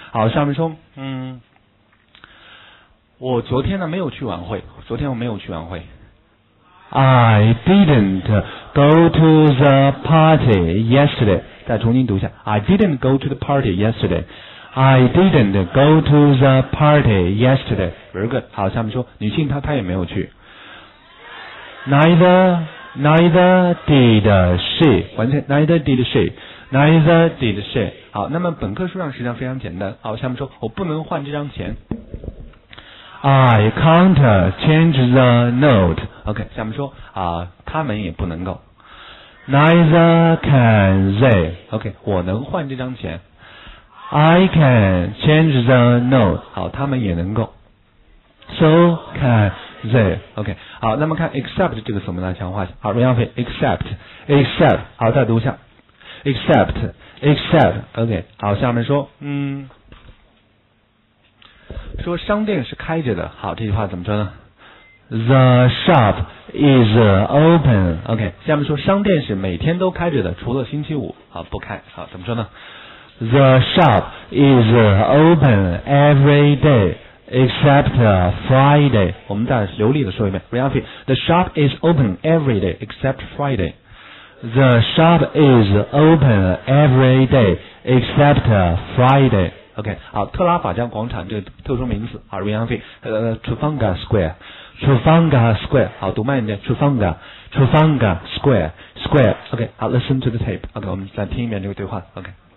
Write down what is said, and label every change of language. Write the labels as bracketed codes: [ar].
[zh] 好，夏明聪，我昨天呢没有去晚会，昨天我没有去晚会。 [en] I didn't go to the party yesterday. [zh] 再重新读一下。 [en] I didn't go to the party yesterday. I didn't go to the party yesterday. Very good. [zh] 好，夏明聪，女性她也没有去。 [en] Neither did she. [zh] 完全 [en] ，neither did she. Neither did she. [zh] 好，那么本科书上实际上非常简单。好，夏明聪，我不能换这张钱。 [en] I can't change the note. [zh] OK, 下面说啊，他们也不能够。 [en] Neither can they. [zh] OK, 我能换这张钱。 [en] I can change the note. [zh] 好，他们也能够。 [en] So can they. [zh] OK, 好，那么看 except 这个词我们来强化一下。好，不要费 except, except. 好，再读一下 except, except. OK, 好，下面说说商店是开着的，好，这句话怎么说呢？ [en] The shop is open. [zh] OK, 下面说商店是每天都开着的，除了星期五，好，不开，好，怎么说呢？ [en] The shop is open every day except Friday. [zh] 我们再流利的说一遍 ，repeat. [en] The shop is open every day except Friday. The shop is open every day except Friday. [zh] OK, 好，特拉法加广场这个特殊名词，好 ，Rianfield, Trafalgar Square, [en] Trafalgar Square, [zh] 好，读慢一点 ，Trafalgar, [en] Trafalgar Square, Square, OK, 好 ，Listen to the tape, OK, [zh] 我们再听一遍这个对话 [en] ，OK。